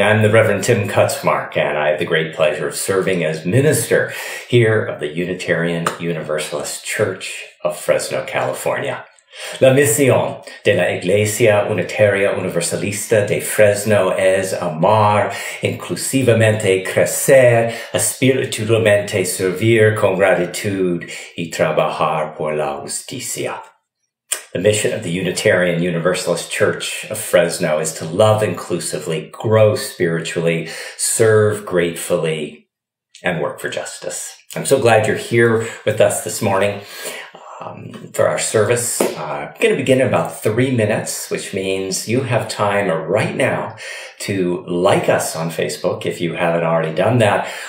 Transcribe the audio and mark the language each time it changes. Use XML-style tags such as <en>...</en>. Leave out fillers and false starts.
<en>I'm the Reverend Tim Kutzmark, and I have the great pleasure of serving as minister here of the Unitarian Universalist Church of Fresno, California.</en> <es>La misión de la Iglesia Unitaria Universalista de Fresno es amar inclusivamente, crecer espiritualmente, servir con gratitud y trabajar por la justicia.</es> <en>The mission of the Unitarian Universalist Church of Fresno is to love inclusively, grow spiritually, serve gratefully, and work for justice. I'm so glad you're here with us this morning for our service. We're going to begin in about 3 minutes, which means you have time right now to like us on Facebook if you haven't already done that.</en>